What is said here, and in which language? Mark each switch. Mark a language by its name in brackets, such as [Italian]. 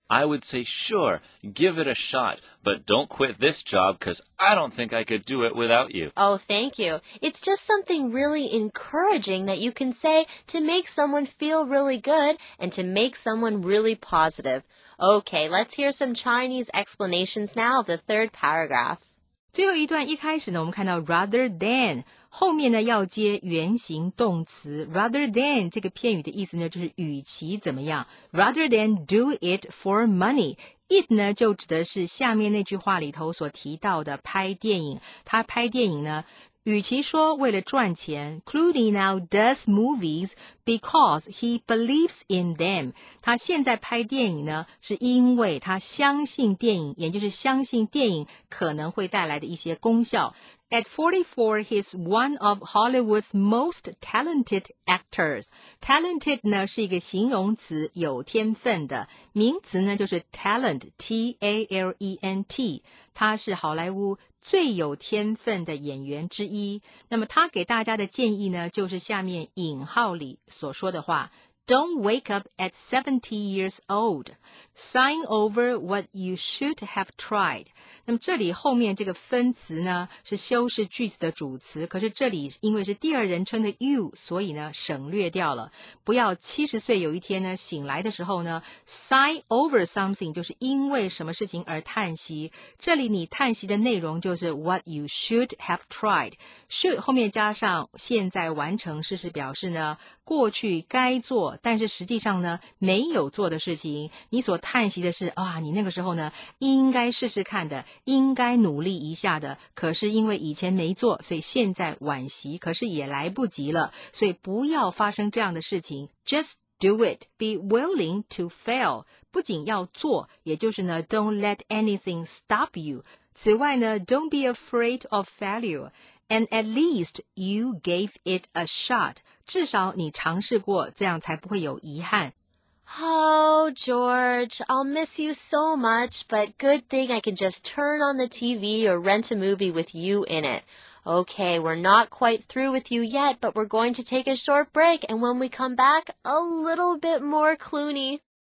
[English] I would say, sure, give it a shot, but don't quit this job because I don't think I could do it without you. Oh, thank you. It's just something really encouraging that you can say to make someone feel really good and to make someone really positive. Okay, let's hear some Chinese explanations now of the third paragraph. [Chinese] 最后一段一开始呢，我们看到 [English] rather than [Chinese] 后面呢要接原形动词 rather than 这个片语的意思呢，就是与其怎么样 [English] rather than do it for money。 It [Chinese] 呢就指的是下面那句话里头所提到的拍电影，他拍电影呢。与其说为了赚钱 [English] Clooney now does movies because he believes in them. [Chinese] 他现在拍电影呢是因为他相信电影，也就是相信电影可能会带来的一些功效。 [English] At 44, he's one of Hollywood's most talented actors. Talented [Chinese] 呢是一个形容词，有天分的。名词呢就是 talent, T-A-L-E-N-T。他是好莱坞最有天分的演员之一。那么他给大家的建议呢就是下面引号里所说的话。 Don't wake up at 70 years old. Sign over what you should have tried. 那么这里后面这个分词呢是修饰句子的主词，可是这里因为是第二人称的 you， 所以呢省略掉了。不要70岁有一天呢醒来的时候呢 [English] sign over something， [Chinese] 就是因为什么事情而叹息。这里你叹息的内容就是 [English] what you should have tried。 [Chinese] should 后面加上现在完成事实，表示呢过去该做但是实际上呢没有做的事情，你所叹息的是啊，你那个时候呢应该试试看的，应该努力一下的，可是因为以前没做，所以现在惋惜，可是也来不及了，所以不要发生这样的事情。 [English] Just do it, be willing to fail， [Chinese] 不仅要做，也就是呢 [English] don't let anything stop you。 [Chinese] 此外呢 [English] don't be afraid of failure，And at least you gave it a shot. [Chinese] 至少你尝试过，这样才不会有遗憾。 [English] Oh, George, I'll miss you so much, but good thing I can just turn on the TV or rent a movie with you in it. Okay, we're not quite through with you yet, but we're going to take a short break, and when we come back, a little bit more Clooney.